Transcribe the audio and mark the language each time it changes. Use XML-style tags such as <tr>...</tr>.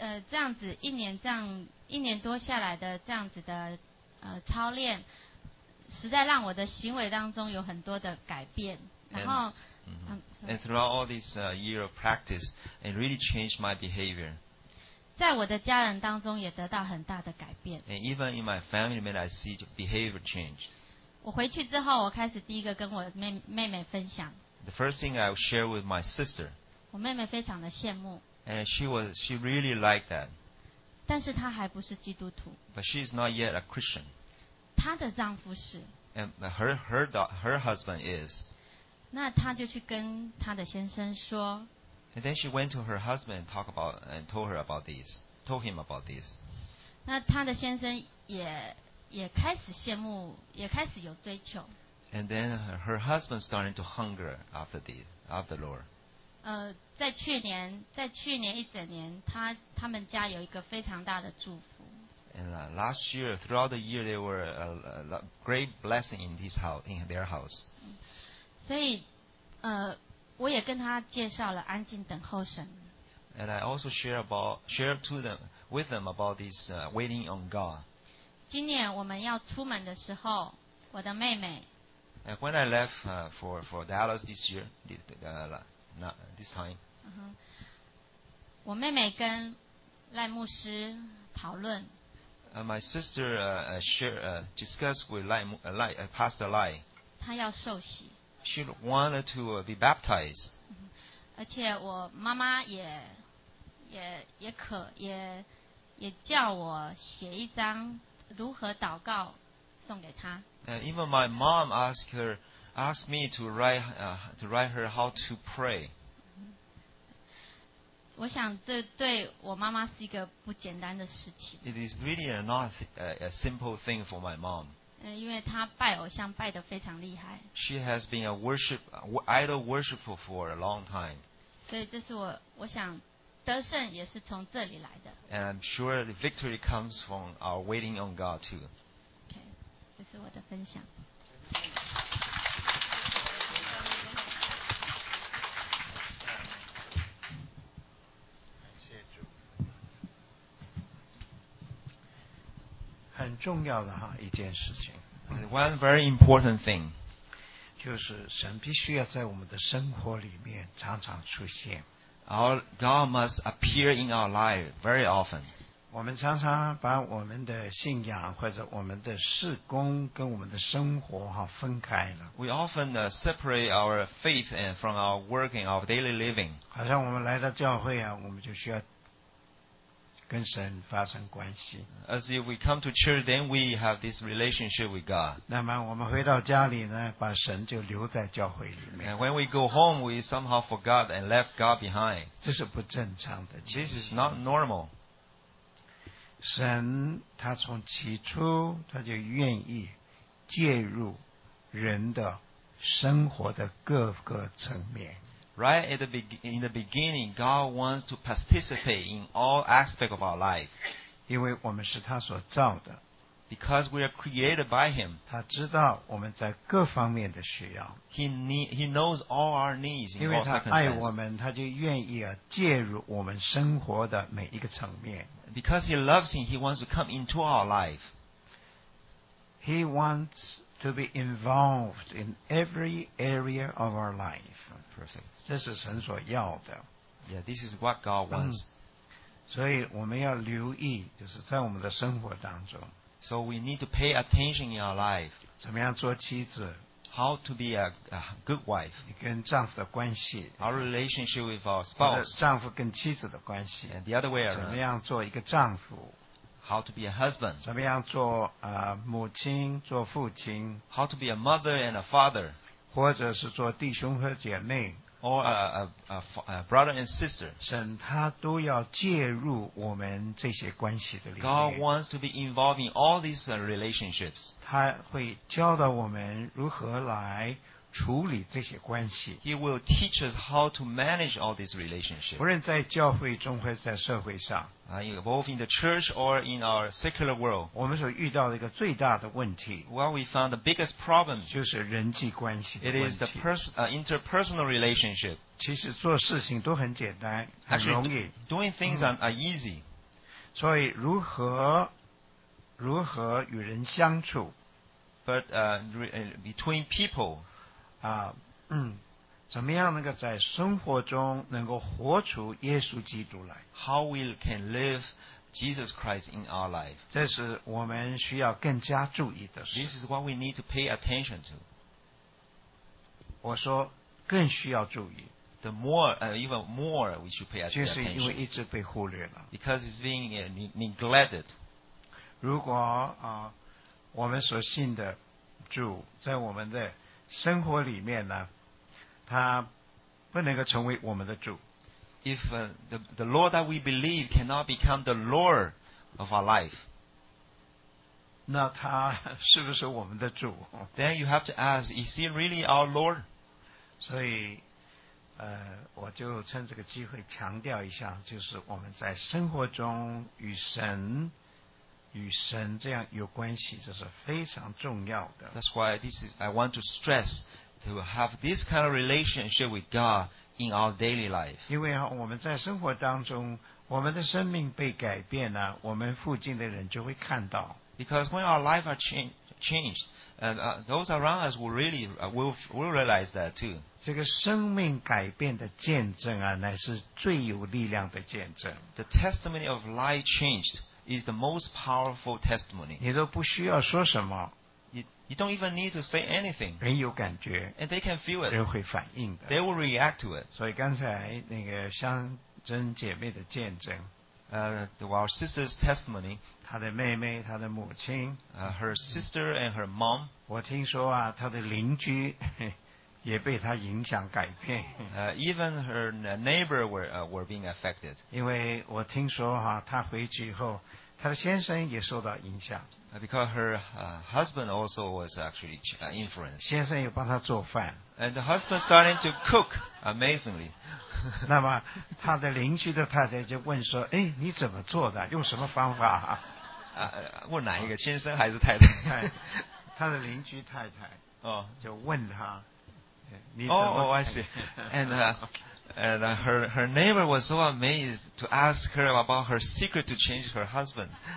<zh>这样子一年这样一年多下来的这样子的操练，实在让我的行为当中有很多的改变。然后</zh> <en>And throughout all this year of practice, it really changed my behavior.</en> <zh>在我的家人当中也得到很大的改变。</zh> <en>And even in my family, I see behavior changed.</en> <zh>我回去之后，我开始第一个跟我妹妹分享。</zh> <en>The first thing I share with my sister.</en> <zh>我妹妹非常的羡慕。</zh> <en>And she really liked that.</en> <zh>但是她还不是基督徒。</zh> <en>But she is not yet a Christian.</en> <zh>她的丈夫是。</zh> <en>And her husband is.</en> <zh>那她就去跟她的先生说。</zh> <en>And then she went to her husband and talked about and told him about this.</en> <zh>那她的先生也开始羡慕，也开始有追求。</zh> <en>And then her husband started to hunger after the Lord.</en> <zh>在去年一整年，他们家有一个非常大的祝福。</zh> <en>And last year, throughout the year, there were a great blessing in this house, in their house.</en> <zh>所以，我也跟他介绍了安静等候神。</zh> <en>And I also shared with them about this waiting on God.</en> <zh>今年我们要出门的时候，我的妹妹。</zh> <en>And when I left for Dallas this year, this time.</en> <zh>我妹妹跟赖牧师讨论。</zh> <en>My sister discussed with Pastor Lai.</en> <zh>她要受洗。</zh> <en>She wanted to be baptized.</en> <zh>而且我妈妈也叫我写一张如何祷告送给她。</zh> <en>Even my mom asked me to write her how to pray.</en> <zh>我想这对我妈妈是一个不简单的事情。</zh> <en>It is really not a simple thing for my mom.</en> <zh>因为她拜偶像拜得非常厉害。</zh> <en>She has been idol worshipper for a long time.</en> <zh>所以这是我想得胜也是从这里来的。</zh> <en>And I'm sure the victory comes from our waiting on God too.</en> <zh>是我的分享。感谢主。很重要的一件事情。</zh> <en>One very important thing.</en> <zh>就是神必须要在我们的生活里面常常出现。</zh> <en>Our God must appear in our life very often.</en> <zh>我们常常把我们的信仰或者我们的事工跟我们的生活分开了。</zh> <en>We often separate our faith from our work and our daily living.</en> <zh>好像我们来到教会我们就需要跟神发生关系。</zh> <en>As if we come to church, then we have this relationship with God.</en> <zh>那么我们回到家里呢，把神就留在教会里面。</zh> <en>And when we go home, we somehow forgot and left God behind.</en> <zh>这是不正常的情形。</zh> <en>This is not normal.</en> <zh>神他从起初他就愿意介入人的生活的各个层面。</zh> <en>Right at the beginning, God wants to participate in all aspects of our life.</en> <zh>因为我们是他所造的。</zh> <en>Because we are created by him.</en> <zh>他知道我们在各方面的需要。</zh> <en>He knows all our needs in all circumstances.</en> <zh>因为他爱我们，他就愿意介入我们生活的每一个层面。</zh> <en>Because he loves him, he wants to come into our life. He wants to be involved in every area of our life. Perfect.</en> <zh>这是神所要的。</zh> <en>Yeah, this is what God wants.</en> <zh>所以我们要留意，就是在我们的生活当中。</zh> <en>So we need to pay attention in our life.</en> <zh>怎么样做妻子？</zh> <en>How to be a good wife.</en> <zh>跟丈夫的关系。</zh> <en>Our relationship with our spouse.</en> <zh>丈夫跟妻子的关系。</zh> <en>And the other way around.</en> <zh>怎么样做一个丈夫。</zh> <en>How to be a husband.</en> <zh>怎么样做母亲做父亲。</zh> <en>How to be a mother and a father.</en> <zh>或者是做弟兄和姐妹。</zh> <en>Or a brother and sister.</en> <zh>神他都要介入我们这些关系的里面。</zh> <en>God wants to be involved in all these relationships.</en> <zh>他会教导我们如何来处理这些关系。</zh> <en>He will teach us how to manage all these relationships.</en> <zh>无论在教会中或者在社会上。</zh> <en>Both in the church or in our secular world.</en> <zh>我们所遇到的一个最大的问题。</zh> <en>Well, we found the biggest problem.</en> <zh>就是人际关系的问题。</zh> <en>It is the interpersonal relationship.</en> <zh>其实做事情都很简单，很容易。</zh> <en>Actually, doing things are easy.</en> <zh>所以如何与人相处</zh> <en>？But between people</en> <zh>啊，怎么样能够在生活中能够活出耶稣基督来</zh> <en>？How we can live Jesus Christ in our life？</en> <zh>这是我们需要更加注意的事。</zh> <en>This is what we need to pay attention to。</en> <zh>我说更需要注意。</zh> <en>The more, even more, we should pay attention.</en> <zh>就是因为一直被忽略了。</zh> <en>Because it's being neglected.</en> <zh>如果啊，我们所信的主在我们的生活里面呢，他不能够成为我们的主。</zh> <en>If the Lord that we believe cannot become the Lord of our life,</en> <zh>那他是不是我们的主</zh> <en>？Then you have to ask, is he really our Lord?</en> <zh>所以。我就趁这个机会强调一下，就是我们在生活中与神这样有关系，这是非常重要的。</zh> <en>That's why this is, I want to stress to have this kind of relationship with God in our daily life.</en> <zh>因为我们在生活当中，我们的生命被改变了，我们附近的人就会看到。</zh> <en>Because when our life are changed. And those around us will realize that too.</en> <zh>这个生命改变的见证啊，乃是最有力量的见证。</zh> <en>The testimony of life changed is the most powerful testimony.</en> <zh>你都不需要说什么。</zh> <en>You don't even need to say anything.</en> <zh>人有感觉。</zh> <en>And they can feel it.</en> <zh>人会反应的。</zh> <en>They will react to it.</en> <zh>所以刚才那个香珍姐妹的见证。</zh> <en>Our sister's testimony,</en> <zh>她的妹妹，她的母亲</zh> <en>her sister and her mom.</en> <zh>我听说啊，她的邻居也被她影响改变。</zh> <en>Even her neighbor were being affected.</en> <zh>因为我听说哈、啊，她回去以后，她的先生也受到影响。</zh> <en>Because her husband also was actually influenced.</en> <zh>先生也帮她做饭。</zh> <en>And the husband starting to cook amazingly.</en> <zh>那么他的邻居的太太就问说哎，你怎么做的用什么方法、啊、问哪一个先生还是太太他的邻居太太就问他、你怎么</zh> <en>I see. And her neighbor was so amazed to ask her about her secret to change her husband.</en>